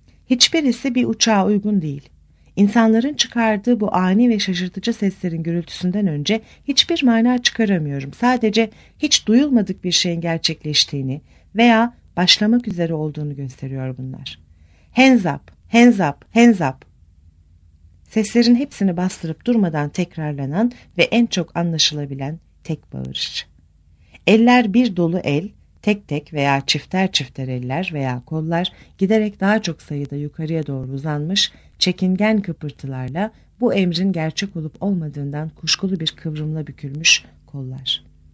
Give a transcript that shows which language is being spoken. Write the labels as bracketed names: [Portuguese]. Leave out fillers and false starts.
[Turkish] Hiçbirisi bir uçağa uygun değil. İnsanların çıkardığı bu ani ve şaşırtıcı seslerin gürültüsünden önce hiçbir mana çıkaramıyorum. Sadece hiç duyulmadık bir şeyin gerçekleştiğini veya başlamak üzere olduğunu gösteriyor bunlar. [English] Hands up, hands up, hands up. [Turkish] Seslerin hepsini bastırıp durmadan tekrarlanan ve en çok anlaşılabilen tek bağırış. Eller bir dolu el, tek tek veya çifter çifter eller veya kollar giderek daha çok sayıda yukarıya doğru uzanmış, çekingen kıpırtılarla bu emrin gerçek olup olmadığından kuşkulu bir kıvrımla bükülmüş kollar.